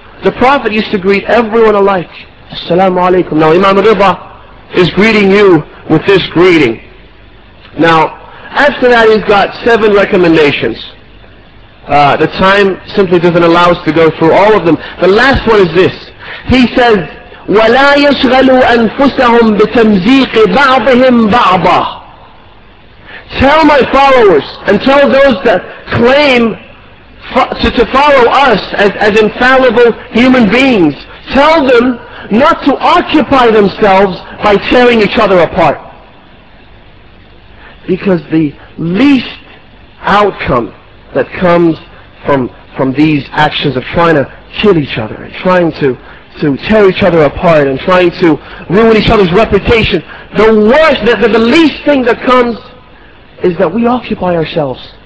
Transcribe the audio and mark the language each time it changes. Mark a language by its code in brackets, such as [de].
[en] The Prophet used to greet everyone alike. Assalamu alaikum. Now Imam al-Ridha is greeting you with this greeting. Now, after that he's got seven recommendations. The time simply doesn't allow us to go through all of them. The last one is this. He says, [ar] وَلَا يَشْغَلُوا أَنفُسَهُمْ بِتَمْزِيقِ بَعْضِهِمْ بَعْضًا. [en] Tell my followers and tell those that claim to follow us as infallible human beings, tell them not to occupy themselves by tearing each other apart. Because the least outcome that comes from these actions of trying to kill each other and trying to tear each other apart and trying to ruin each other's reputation, the least thing that comes is that we occupy ourselves.